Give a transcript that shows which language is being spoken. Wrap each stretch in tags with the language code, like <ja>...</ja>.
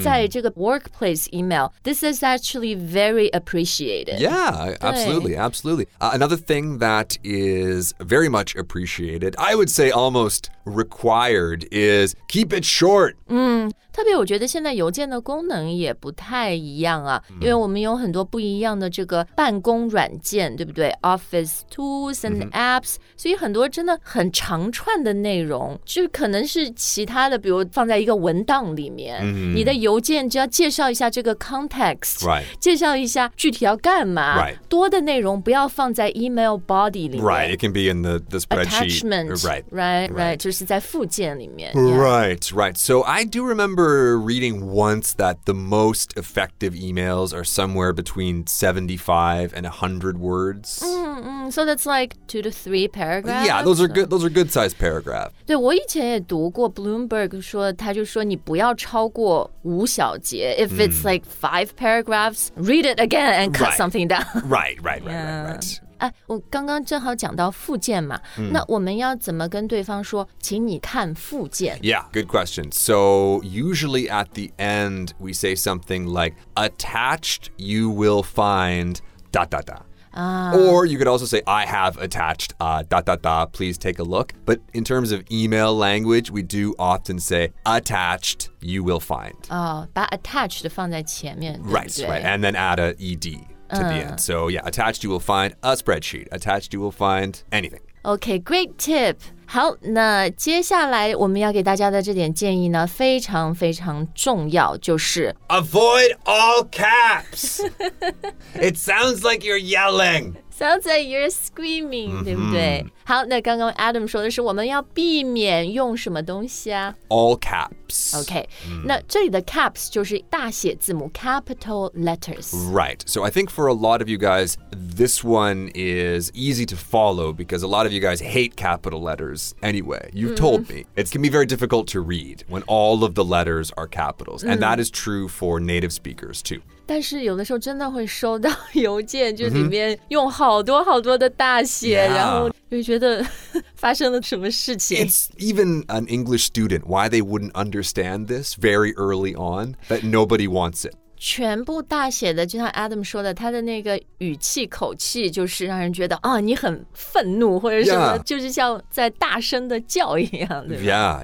<zh>在这个</zh> <en>workplace email This is actually very appreciated Yeah, absolutely, absolutely、another thing that is very much appreciated I would say almost required is keep it short</en> <zh>嗯特别我觉得现在邮件的功能也不太一样啊、 mm. 因为我们有很多不一样的这个办公软件对不对</zh> <en>Office tools and apps、</en> <zh>mm-hmm. 所以很多真的很长串的内容就可能是其他的比如放在一个文档里面、 mm-hmm. 你的邮件就要介绍一下这个 context、</zh> <en>right.</en> <zh>介绍一下具体要干嘛、</zh> <en>right.</en> <zh>多的内容不要放在</zh> <en>email body</en> <zh>里面</zh> <en>Right, it can be in the spreadsheet Attachment Right, right, right.</en> <zh>就是在附件里面、</zh> <en>yeah. Right, right So I do remember reading once that the most effective emails are somewhere between 75 and 100 words. Mm-hmm. So that's like 2 to 3 paragraphs? Yeah, those are good, those are good sized paragraphs.</en> <zh>对,我以前也读过 Bloomberg 说,他就说你不要超过五小节。</zh> <en>If it's like 5 paragraphs, read it again and cut something down. Right, right, right, right, right. Yeah.</en> <zh>哎、我刚刚正好讲到附件嘛、 mm. 那我们要怎么跟对方说请你看附件</zh> <en>Yeah, good question. So usually at the end we say something like attached you will find da da da. Or you could also say I have attached da da da, please take a look. But in terms of email language, we do often say attached you will find.</en> <zh>哦、把 attached 放在前面</zh> <en>Right,</en> <zh>对不对</zh> <en>right. And then add a ed. To the end. So, yeah, attached you will find a spreadsheet. Attached you will find anything. Okay, great tip.</en> <zh>好，那接下来我们要给大家的这点建议呢，非常非常重要，就是</zh> <en>Avoid all caps. It sounds like you're yelling. Sounds like you're screaming,、 mm-hmm.</en> <zh>对不对？好，那刚刚 Adam 说的是我们要避免用什么东西啊？</zh> <en>All caps.</en> <zh>Okay,、mm. 那这里的 caps 就是大写字母</zh> <en>capital letters. Right, so I think for a lot of you guys, this one is easy to follow because a lot of you guys hate capital letters anyway. You've、mm. told me. It can be very difficult to read when all of the letters are capitals.、Mm. And that is true for native speakers too.</en> <zh>但是有的时候真的会收到邮件就里面用好多好多的大写、 mm-hmm. 然后就觉得发生了什么事情</zh> <en>It's even an English student why they wouldn't understand this very early on that nobody wants it</en> <zh>全部大写的就像 Adam 说的他的那个语气口气就是让人觉得、哦、你很愤怒或者什么、</zh> <en>yeah.</en> <zh>就是像在大声的叫一样对吧</zh>